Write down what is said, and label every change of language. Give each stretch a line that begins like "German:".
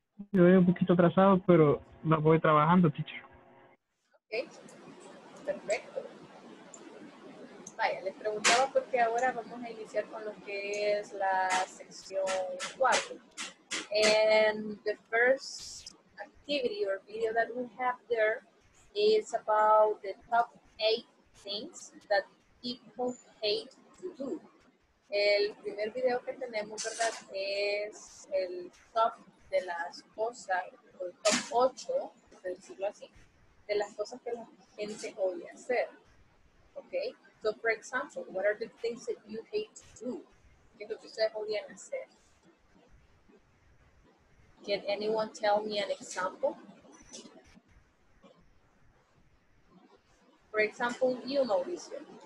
Spanish: Yo voy un poquito atrasado, pero la voy trabajando, teacher. Ok, perfecto. Vaya, les preguntaba porque ahora vamos a iniciar con lo que es la sección 4.
English: And the first activity or video that we have there is about the top 8 things that people hate to do.
Spanish: El primer video que tenemos, ¿verdad?, es el top de las cosas, o el top 8, por decirlo así, de las cosas que la gente odia hacer.
English: Okay? So, for example, what are the things that you hate to do?
Spanish: ¿Qué es lo que ustedes odian hacer?
English: Can anyone tell me an example? For example, you, Mauricio.